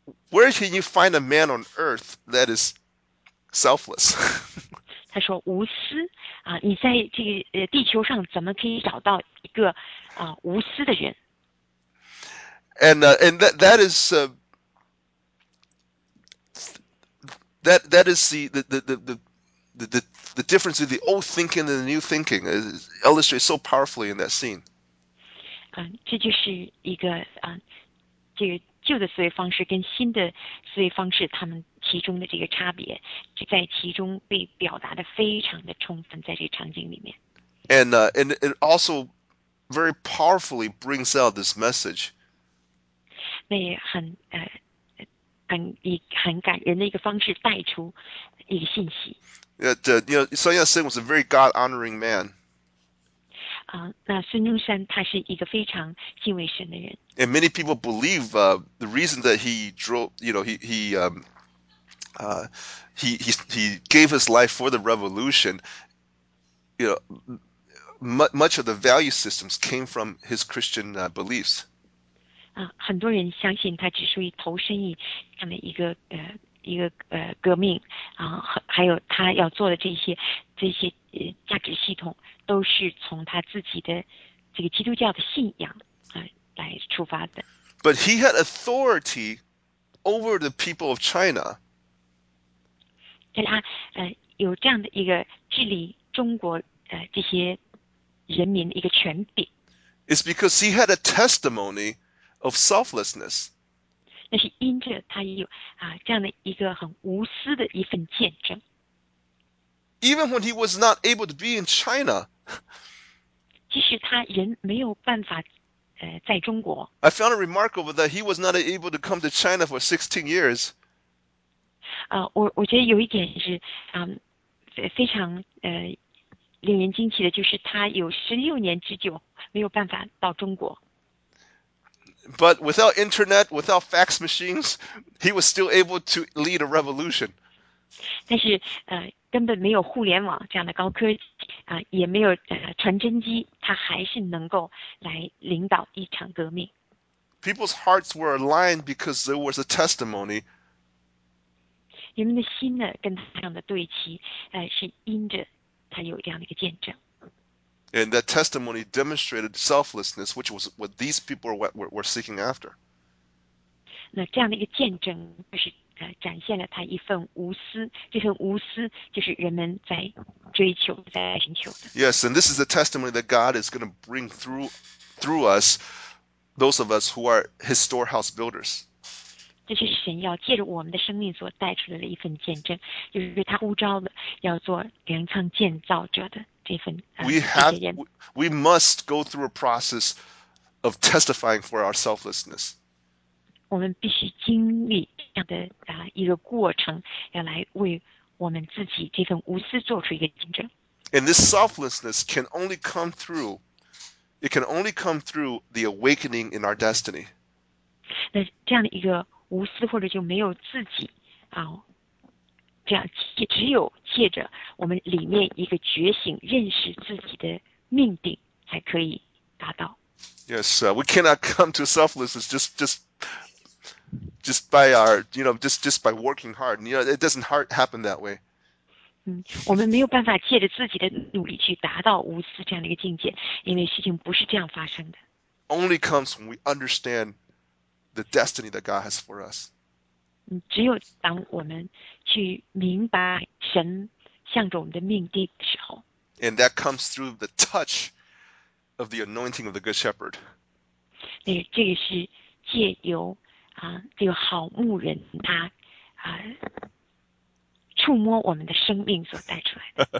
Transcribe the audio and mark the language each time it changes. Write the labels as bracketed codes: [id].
[en] Where can you find a man on earth that is selfless? [zh] 他说无私你在这个地球上怎么可以找到一个无私的人？ [en] And that is that is the difference in the old thinking and the new thinking is illustrated so powerfully in that scene. [zh] 这就是一个这个旧的思维方式跟新的思维方式，他们其中的这个差别，就在其中被表达得非常的充分，在这个场景里面。 [en] And it also very powerfully brings out this message. [zh] 那也很感人的一个方式带出一个信息。 [en] Sun Yat-sen was a very God-honoring man. [zh] 那孙中山他是一个非常敬畏神的人。 [en] And many people believe the reason that he drove, you know, he gave his life for the revolution. Much of the value systems came from his Christian beliefs. [zh] 很多人相信他只是为投身于这样的一个革命还有他要做的这些价值系统，都是从他自己的这个基督教的信仰来出发的。 [en] But he had authority over the people of China. [zh] 但他有这样的一个治理中国这些人民的一个权柄。 [en] It's because he had a testimony of selflessness. [zh] 那是因着他有这样的一个很无私的一份见证。 [en] Even when he was not able to be in China. [zh] 即使他人没有办法在中国， [en] I found it remarkable that he was not able to come to China for 16 years. [zh] 我觉得有一点是非常令人惊奇的，就是他有16年之久没有办法到中国。 [en] But without internet, without fax machines, he was still able to lead a revolution. [zh] 但是根本没有互联网这样的高科技也没有传真机，他还是能够来领导一场革命。 [en] People's hearts were aligned because there was a testimony. [zh] 人们的心呢，跟他这样的对齐，是因着他有这样的一个见证。 [en] And that testimony demonstrated selflessness, which was what these people were seeking after. [zh] 那这样的一个见证，就是展现了他一份无私，这份无私就是人们在追求、在寻求的。 [en] Yes, and this is the testimony that God is going to bring through us, those of us who are his storehouse builders. [zh] 这就是神要借着我们的生命所带出来的一份见证，就是他呼召的要做粮仓建造者的这份 [en] We [zh] 这些 [en] have, [zh] 人。 [en] we must go through a process of testifying for our selflessness. [zh] 我们必须经历这样的一个过程，要来为我们自己这份无私做出一个见证。 [en] And this selflessness can only come through, it can only come through the awakening in our destiny. [zh] 那这样的一个无私或者就没有自己这样只有借着我们里面一个觉醒认识自己的命定才可以达到。 [en] Yes, we cannot come to selflessness just by our, you know, just by working hard. You know, it doesn't happen that way. [zh] 我们没有办法借着自己的努力去达到无私这样的一个境界，因为事情不是这样发生的。 [en] Only comes when we understand the destiny that God has for us. [zh] 只有当我们去明白神向着我们的命定的时候。 [en] And that comes through the touch of the anointing of the Good Shepherd. [zh] 那这个是借由这个好牧人他触摸我们的生命所带出来的。